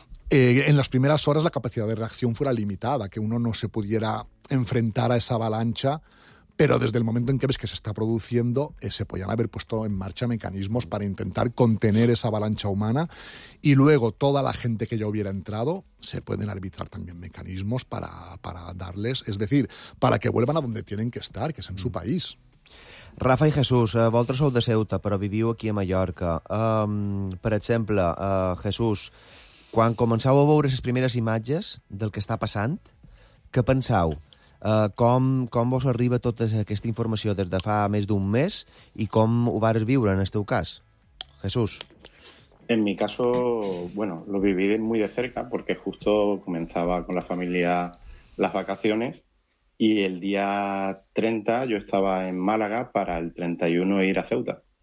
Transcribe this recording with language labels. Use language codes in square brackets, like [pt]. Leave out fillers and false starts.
[es] En las primeras horas la capacidad de reacción fuera limitada, que uno no se pudiera enfrentar a esa avalancha, pero desde el momento en que ves que se está produciendo, se podían haber puesto en marcha mecanismos para intentar contener esa avalancha humana, y luego toda la gente que ya hubiera entrado, se pueden arbitrar también mecanismos para darles, es decir, para que vuelvan a donde tienen que estar, que es en su país. [ca] Rafa i Jesús, vosaltres sou de Ceuta, però viviu aquí a Mallorca. Per exemple, Jesús, quan començau a veure les primeres imatges del que està passant, què pensau? Com vos arriba tota aquesta informació des de fa més d'un mes i com ho vas viure en el teu cas? Jesús. [es] En mi caso, bueno, lo viví muy de cerca porque justo comenzaba con la familia las vacaciones. Y el día 30 yo estaba en Málaga para el 31 ir a Ceuta.